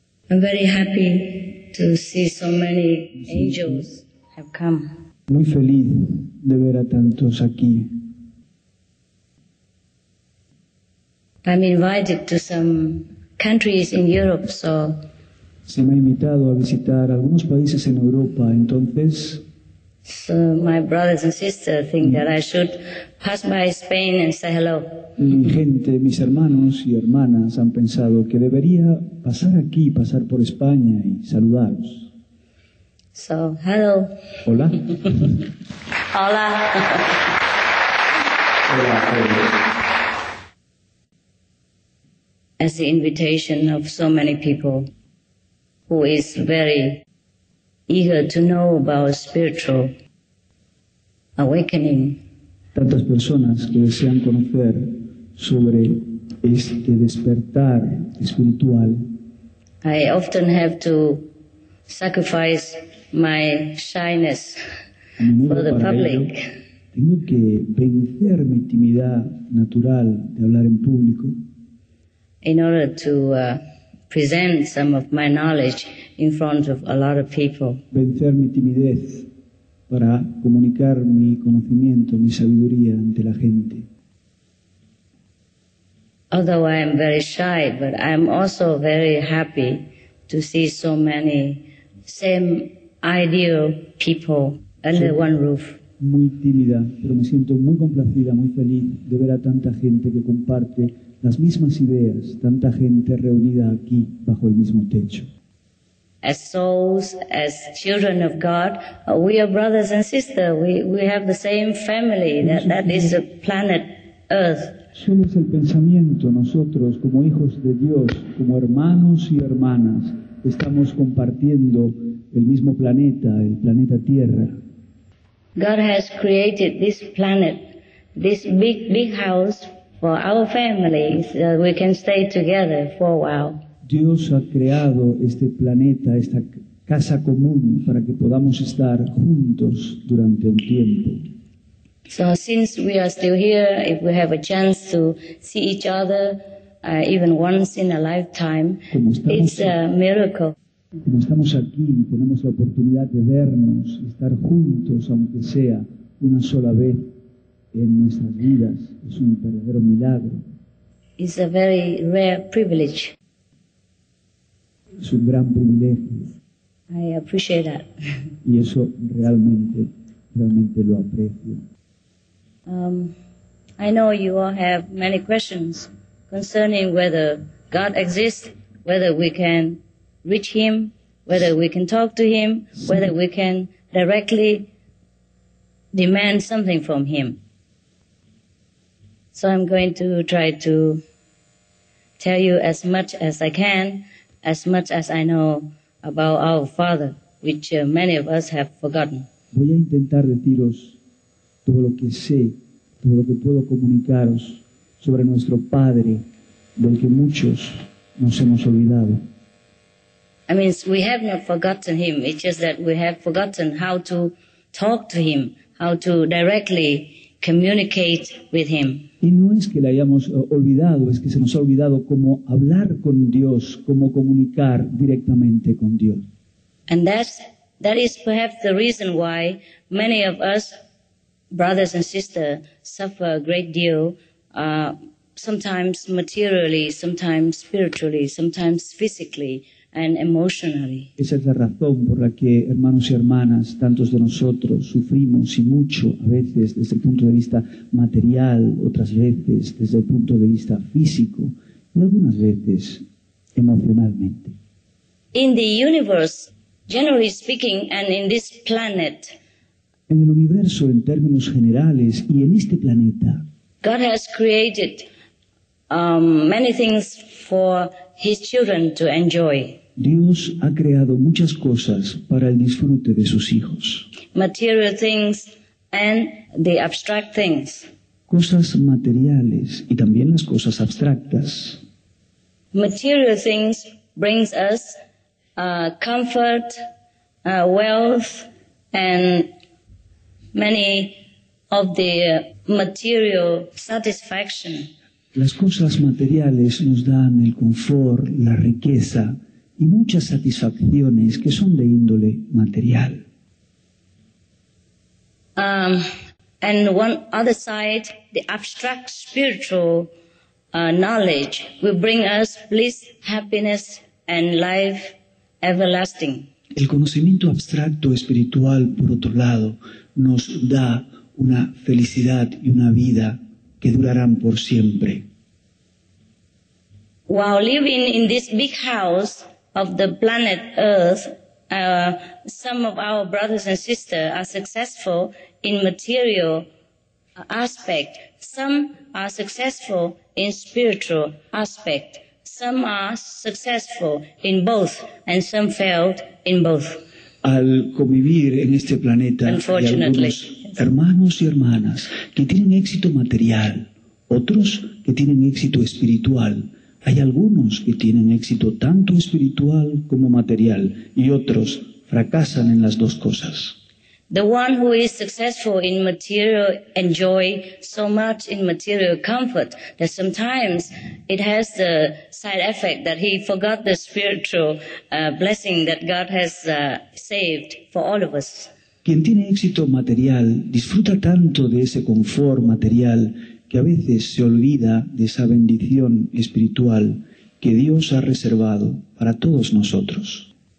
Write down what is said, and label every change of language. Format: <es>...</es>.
<en>I'm very happy to see so many angels have come.</en> <es>Muy feliz de ver a tantos aquí.</es> <en>I'm invited to some countries in Europe, so.</en> <es>Se me ha invitado a visitar algunos países en Europa, entonces.</es> <en>So my brothers and sisters think that I should pass by Spain and say hello.</en> <es>Mi gente, mis hermanos y hermanas han pensado que debería pasar aquí, pasar por España y saludaros.</es> <en>So, hello.</en> <es>Hola. Hola. Hola.</es> <en>As the invitation of so many people who is very eager to know about spiritual awakening.</en> <es>Tantas personas que desean conocer sobre este despertar espiritual.</es> <en>I often have to sacrifice my shyness for the public.</en> <es>Ello, tengo que vencer mi timidez natural de hablar en público.</es> <en>In order to present some of my knowledge in front of a lot of people.</en> <es>Vencer mi timidez para comunicar mi conocimiento, mi sabiduría ante la gente.</es> <en>Although I am very shy, but I am also very happy to see so many same ideal people under one roof.</en> <es>Muy tímida, pero me siento muy complacida, muy feliz de ver a tanta gente que comparte las mismas ideas, tanta gente reunida aquí bajo el mismo techo.</es> <en>As souls, as children of God, we are brothers and sisters. We have the same family. That is the planet Earth.</en> <es>Somos el pensamiento. Nosotros, como hijos de Dios, como hermanos y hermanas, estamos compartiendo el mismo planeta, el planeta Tierra.</es> <en>God has created this planet this big, big house for our families, we can stay together for a while.</en> <es>Dios ha creado este planeta, esta casa común, para que podamos estar juntos durante un tiempo.</es> <en>So since we are still here, if we have a chance to see each other, even once in a lifetime, it's a miracle.</en> <es>Como estamos aquí y tenemos la oportunidad de vernos, estar juntos, aunque sea una sola vez en nuestras vidas, es un verdadero milagro.</es> <en>It's a very rare privilege.</en> <es>Es un gran privilegio.</es> <en>I appreciate that.</en> <es>Y eso realmente, realmente lo aprecio.</es> <en>I know you all have many questions concerning whether God exists, whether we can reach Him, whether we can talk to Him, whether we can directly demand something from Him. So I'm going to try to tell you as much as I can, as much as I know about our Father, which many of us have forgotten.</en> <es>Voy a intentar deciros todo lo que sé, todo lo que puedo comunicaros sobre nuestro Padre, del que muchos nos hemos olvidado.</es> <en>I mean, we have not forgotten Him, it's just that we have forgotten how to talk to Him, how to directly communicate with Him.</en> <es>Y no es que le hayamos olvidado, es que se nos ha olvidado cómo hablar con Dios, cómo comunicar directamente con Dios.</es> <en>And that is perhaps the reason why many of us, brothers and sisters, suffer a great deal, sometimes materially, sometimes spiritually, sometimes physically, and emotionally.</en> <es>Esa es la razón por la que hermanos y hermanas, tantos de nosotros, sufrimos y mucho, a veces desde el punto de vista material, otras veces desde el punto de vista físico, y algunas veces emocionalmente.</es> <en>In the universe, generally speaking, and in this planet,</en> <es>en el universo, en términos generales, y en este planeta,</es> <en>God has created many things for His children to enjoy.</en> <es>Dios ha creado muchas cosas para el disfrute de sus hijos.</es> <en>Material things and the abstract things.</en> <es>Cosas materiales y también las cosas abstractas.</es> <en>Material things brings us comfort, wealth, and many of the material satisfaction.</en> <es>Las cosas materiales nos dan el confort, la riqueza y muchas satisfacciones que son de índole material.</es> <en>And one other side, the abstract spiritual knowledge will bring us bliss, happiness and life everlasting.</en> <es>El conocimiento abstracto espiritual, por otro lado, nos da una felicidad y una vida que durarán por siempre.</es> <en>While living in this big house of the planet Earth, some of our brothers and sisters are successful in material aspect. Some are successful in spiritual aspect. Some are successful in both, and some failed in both.</en> <es>Al convivir en este planeta, hay algunos hermanos y hermanas que tienen éxito material, otros que tienen éxito espiritual. Hay algunos que tienen éxito tanto espiritual como material, y otros fracasan en las dos cosas.</es> <en>The one who is successful in material enjoy so much in material comfort that sometimes it has the side effect that he forgot the spiritual blessing that God has saved for all of us.</en> <es>Quien tiene éxito material disfruta tanto de ese confort material que a veces se olvida de esa bendición espiritual que Dios ha reservado para todos nosotros.</es>